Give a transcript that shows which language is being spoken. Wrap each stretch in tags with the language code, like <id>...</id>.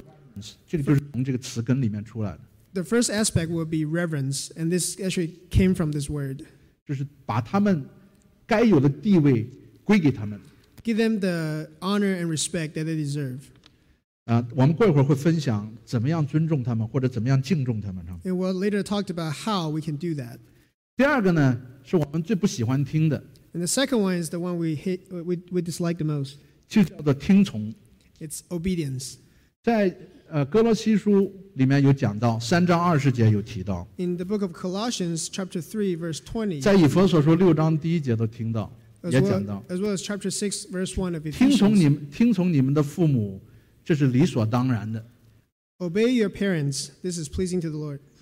<zh>第一个讲到尊重，这个就是从这个词根里面出来的。</zh> <en>The first aspect will be reverence, and this actually came from this word.</en> <zh>就是把他们 该有的地位归给他们。</zh> <en>Give them the honor and respect that they deserve.</en> <zh>我们过一会儿会分享怎么样尊重他们或者怎么样敬重他们。</zh> <en>And we'll later talk about how we can do that.</en> <zh>第二个呢, 是我们最不喜欢听的。</zh> <en>And the second one is the one we dislike the most.</en> <zh>就叫做听从。</zh> <en>It's obedience.</en> <zh>在哥罗西书里面有讲到，3章20节有提到。</zh> <en>In the book of Colossians, chapter 3, verse 20.</en> <zh>在以弗所书6章1节都听到，也讲到。</zh> <en>As well as chapter 6, verse 1 of Ephesians.</en> <zh>听从你们的父母，这是理所当然的。</zh> <en>Obey your parents, this is pleasing to the Lord.</en>